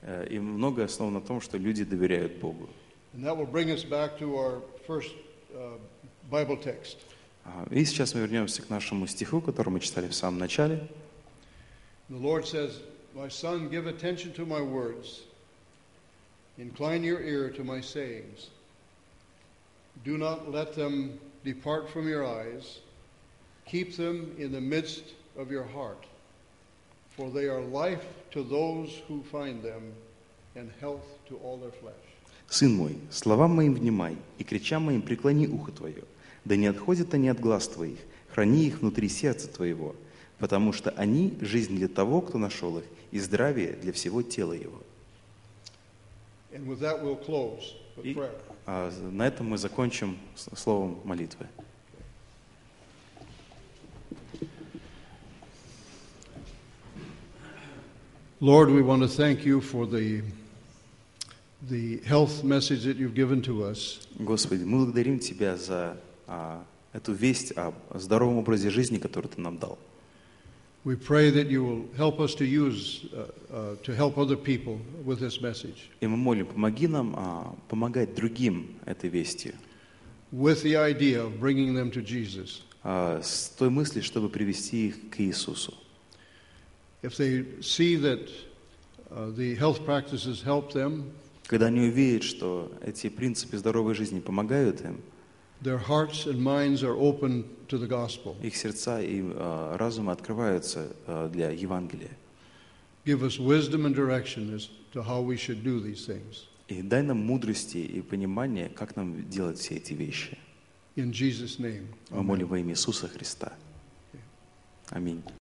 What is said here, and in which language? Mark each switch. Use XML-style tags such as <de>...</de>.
<ru>И многое основано на том, что люди доверяют Богу.</ru> <en>And that will bring us back to our first Bible text.</en> <ru>И сейчас мы вернемся к нашему стиху, который мы читали в самом начале.</ru> <en>The Lord says, "My son, give attention to my words. Incline your ear to my sayings. Do not let them depart from your eyes. Keep them in the midst of your heart, for they are life to those who find them, and health to all their flesh."</en> <ru>Сын мой, словам моим внимай, и к речам моим преклони ухо твое, да не отходят они от глаз твоих, храни их внутри сердца твоего, потому что они – жизнь для того, кто нашел их, и здравие для всего тела его.</ru> <en>And with that we'll close the prayer.</en> <ru>На этом мы закончим словом молитвы.</ru> <en>Lord, we want to thank you for the health message that you've given to us.</en> <ru>Господи, мы благодарим тебя за эту весть о здоровом образе жизни, которую ты нам дал.</ru> <en>We pray that you will help us to use to help other people with this message.</en> <ru>И мы молим, помоги нам помогать другим этой вестью.</ru> <en>With the idea of bringing them to Jesus.</en> <ru>С той мыслью, чтобы привести их к Иисусу.</ru> <en>If they see that the health practices help them.</en> <ru>Когда они увидят, что эти принципы здоровой жизни помогают им,</ru> <en>their hearts and minds are open to the gospel.</en> <ru>Их сердца и разум открываются для Евангелия.</ru> <en>Give us wisdom and direction as to how we should do these things.</en> <ru>И дай нам мудрости и понимание, как нам делать все эти вещи.</ru> <en>In Jesus' name.</en> <ru>Мы молим во имя Иисуса Христа. Аминь.</ru>